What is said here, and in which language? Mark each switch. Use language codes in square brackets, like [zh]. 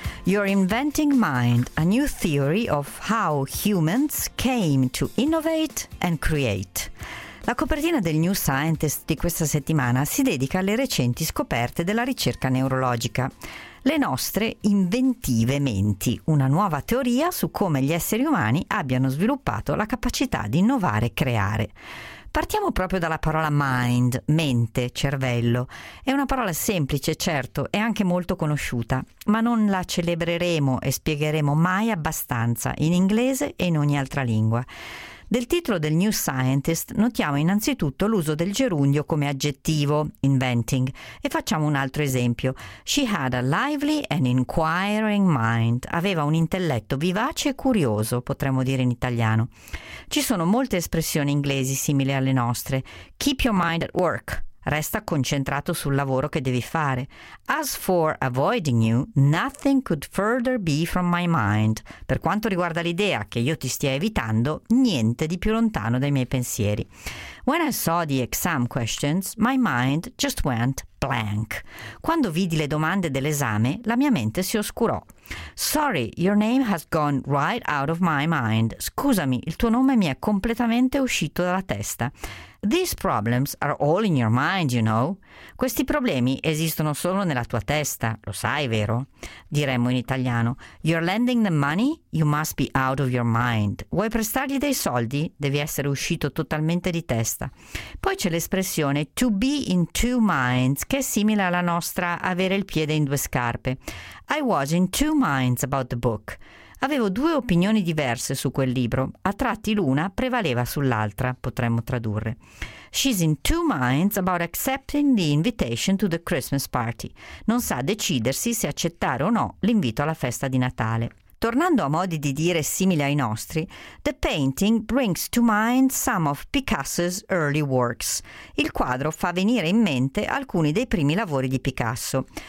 [en] You're inventing mind, a new theory of how humans came to innovate and create. [it] La copertina del New Scientist di questa settimana si dedica alle recenti scoperte della ricerca neurologica. Le nostre inventive menti, una nuova teoria su come gli esseri umani abbiano sviluppato la capacità di innovare e creare. Partiamo proprio dalla parola mind, mente, cervello. È una parola semplice, certo, e anche molto conosciuta, ma non la celebreremo e spiegheremo mai abbastanza in inglese e in ogni altra lingua. Del titolo del New Scientist notiamo innanzitutto l'uso del gerundio come aggettivo, inventing, e facciamo un altro esempio. [en] She had a lively and inquiring mind. [it] Aveva un intelletto vivace e curioso, potremmo dire in italiano. Ci sono molte espressioni inglesi simili alle nostre. [en] Keep your mind at work. [it] Resta concentrato sul lavoro che devi fare. [en] As for avoiding you, nothing could further be from my mind. [it] Per quanto riguarda l'idea che io ti stia evitando, niente di più lontano dai miei pensieri. [en] When I saw the exam questions, my mind just went blank. [it] Quando vidi le domande dell'esame, la mia mente si oscurò. [en] Sorry, your name has gone right out of my mind. [it] Scusami, il tuo nome mi è completamente uscito dalla testa. [en] These problems are all in your mind, you know. [it] Questi problemi esistono solo nella tua testa, lo sai, vero? Diremmo in italiano. [en] You're lending them money? You must be out of your mind. [it] Vuoi prestargli dei soldi? Devi essere uscito totalmente di testa. Poi c'è l'espressione [en] to be in two minds, [it] che è simile alla nostra avere il piede in due scarpe. [en] I was in two minds about the book. [it] Avevo due opinioni diverse su quel libro. A tratti l'una prevaleva sull'altra, potremmo tradurre. [en] She's in two minds about accepting the invitation to the Christmas party. [it] Non sa decidersi se accettare o no l'invito alla festa di Natale. Tornando a modi di dire simili ai nostri, [en] the painting brings to mind some of Picasso's early works. [it] Il quadro fa venire in mente alcuni dei primi lavori di Picasso.